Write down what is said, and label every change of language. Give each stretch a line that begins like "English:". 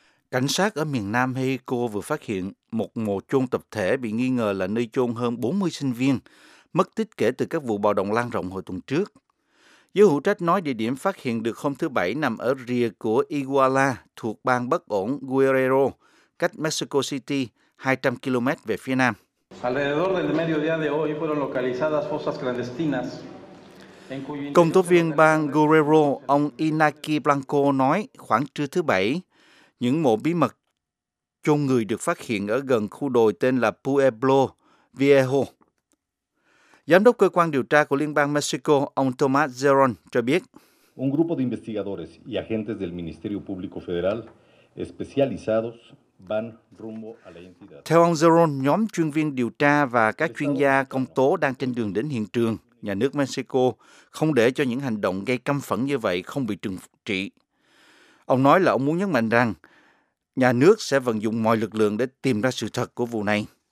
Vietnamese: Cảnh sát ở miền Nam Mexico vừa phát hiện một mộ chôn tập thể bị nghi ngờ là nơi chôn hơn 40 sinh viên mất tích kể từ các vụ bạo động lan rộng hồi tuần trước. Giới hữu trách nói địa điểm phát hiện được hôm thứ Bảy nằm ở rìa của Iguala thuộc bang bất ổn Guerrero, cách Mexico City 200 km về phía nam.
Spanish: Alrededor del mediodía de hoy fueron localizadas fosas clandestinas.
Vietnamese: Công tố viên bang Guerrero, ông Inaki Blanco nói khoảng trưa thứ Bảy, những mộ bí mật chôn người được phát hiện ở gần khu đồi tên là Pueblo Viejo. Giám đốc cơ quan điều tra của Liên bang Mexico, ông Tomás Zeron, cho biết.
Spanish: Un grupo de investigadores y agentes del Ministerio Público Federal especializados van rumbo a la entidad.
Vietnamese: Theo ông Zeron, nhóm chuyên viên điều tra và các chuyên gia công tố đang trên đường đến hiện trường. Nhà nước Mexico không để cho những hành động gây căm phẫn như vậy không bị trừng trị. Ông nói là ông muốn nhấn mạnh rằng nhà nước sẽ vận dụng mọi lực lượng để tìm ra sự thật của vụ này.